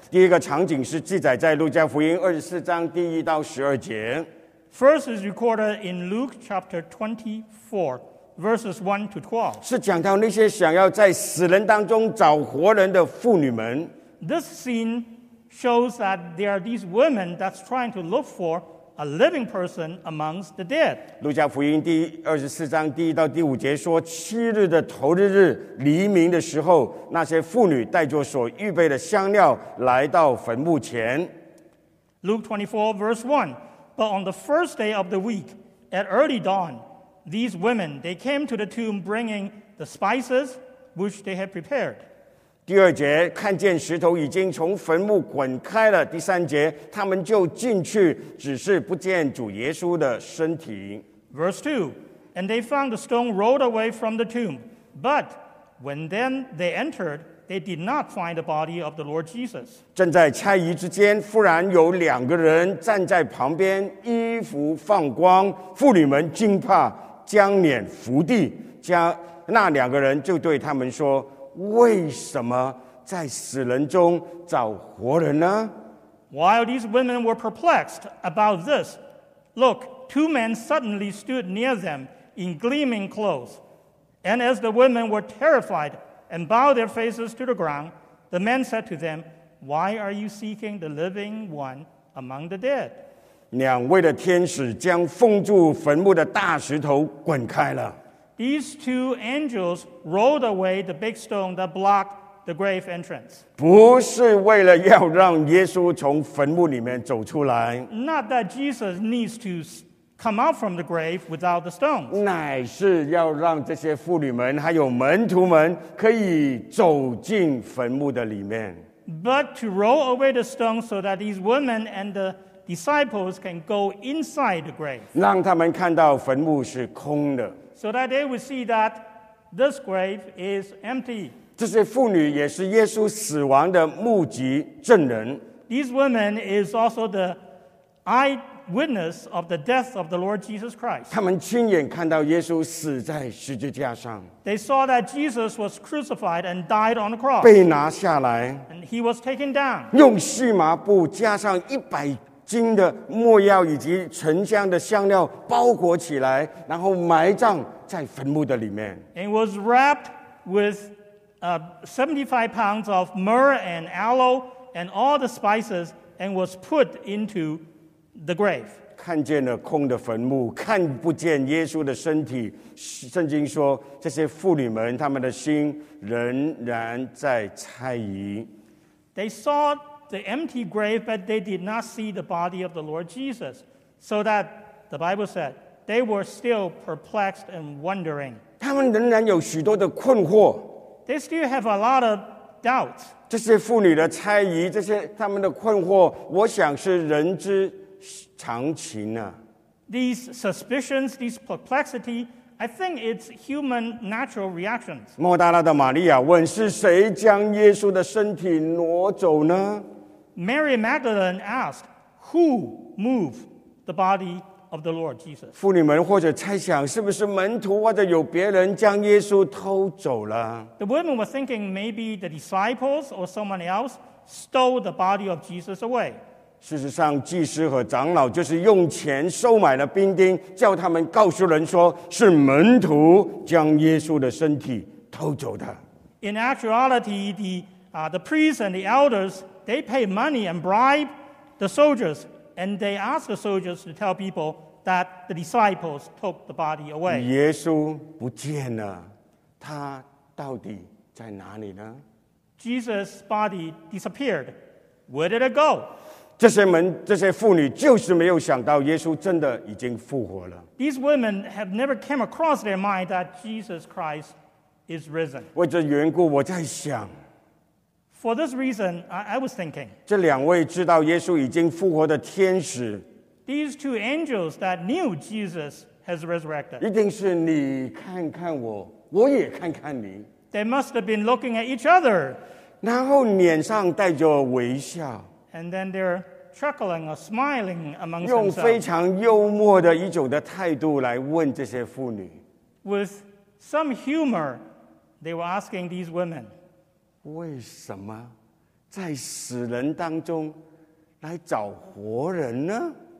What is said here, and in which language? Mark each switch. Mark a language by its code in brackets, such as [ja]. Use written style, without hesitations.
[zh] 第一个场景是记载在路加福音二十四章第一到十二节。 [en] First is recorded in Luke chapter 24. Verses 1 to 12. [zh] 是讲到那些想要在死人当中找活人的妇女们。 [en] This scene shows that there are these women that's trying to look for a living person amongst the dead. [zh] 路加福音第二十四章第一到第五节说，七日的头日日黎明的时候，那些妇女带着所预备的香料来到坟墓前。 [en] Luke 24, verse 1. But on the first day of the week, at early dawn,These women, they came to the tomb bringing the spices which they had prepared. [zh] 第二节，看见石头已经从坟墓滚开了。第三节，他们就进去，只是不见主耶稣的身体。 [en] Verse 2, and they found the stone rolled away from the tomb. But when then they entered, they did not find the body of the Lord Jesus. [zh] 正在诧异之间，忽然有两个人站在旁边，衣服放光，妇女们惊怕。将脸伏地，那两个人就对他们说：“为什么在死人中找活人呢？” [en] While these women were perplexed about this, look, two men suddenly stood near them in gleaming clothes. And as the women were terrified and bowed their faces to the ground, the men said to them, "Why are you seeking the living one among the dead?" [zh] 两位的天使将封住坟墓的大石头滚开了。 [en] These two angels rolled away the big stone that blocked the grave entrance. [zh] 不是为了要让耶稣从坟墓里面走出来。 [en] Not that Jesus needs to come out from the grave without the stones. [zh] 乃是要让这些妇女们还有门徒们可以走进坟墓的里面。 [en] But to roll away the stone so that these women and the Disciples can go inside the grave. [zh] 让他们看到坟墓是空的。 [en] So that they will see that this grave is empty. [zh] 这些妇女也是耶稣死亡的目击证人。 [en] These women is also the eyewitness of the death of the Lord Jesus Christ. [zh] 他们亲眼看到耶稣死在十字架上。 [en] They saw that Jesus was crucified and died on the cross. [zh] 被拿下来。 [en] And he was taken down. [zh] 用细麻布加上100斤的末药以及沉香的香料包裹起来，然后埋葬在坟墓的里面。 [en] It was wrapped with 75 pounds of myrrh and aloe and all the spices and was put into the grave. [zh] 看见了空的坟墓，看不见耶稣的身体。圣经说，这些妇女们她们的心仍然在猜疑。 [en] They saw. The empty grave, but they did not see the body of the Lord Jesus. So that, the Bible said, they were still perplexed and wondering. [zh] 他们仍然有许多的困惑。 [en] They still have a lot of doubts. [zh] 这些妇女的猜疑，这些他们的困惑，我想是人之常情啊。 [en] These suspicions, these perplexity, I think it's human natural reactions. [zh] 莫大拉的玛利亚问，是谁将耶稣的身体挪走呢？ [en] Mary Magdalene asked, "Who moved the body of the Lord Jesus?" [zh] 妇女们或者猜想是不是门徒或者有别人将耶稣偷走了。 [en] The women were thinking maybe the disciples or someone else stole the body of Jesus away. [zh] 事实上，祭司和长老就是用钱收买了兵丁，叫他们告诉人说是门徒将耶稣的身体偷走的。 [en] In actuality, the priests and the elders. They pay money and bribe the soldiers, and they ask the soldiers to tell people that the disciples took the body away. [zh] 耶稣不见了，他到底在哪里呢？ [en] Jesus' body disappeared. Where did it go? [zh] 这些妇女就是没有想到耶稣真的已经复活了。 [en] These women have never come across their mind that Jesus Christ is risen. [zh] 为这缘故我在想。 [en] For this reason, I was thinking. [zh] 这两位知道耶稣已经复活的天使。 [en] These two angels that knew Jesus has resurrected. [zh] 一定是你看看我，我也看看你。 [en] They must have been looking at each other. [zh] 然后脸上带着微笑。 [en] And then they're chuckling or smiling amongst themselves. [zh] 用非常幽默的一种的态度来问这些妇女。 [en] With some humor, they were asking these women, [zh] 为什么在死人当中来找活人呢？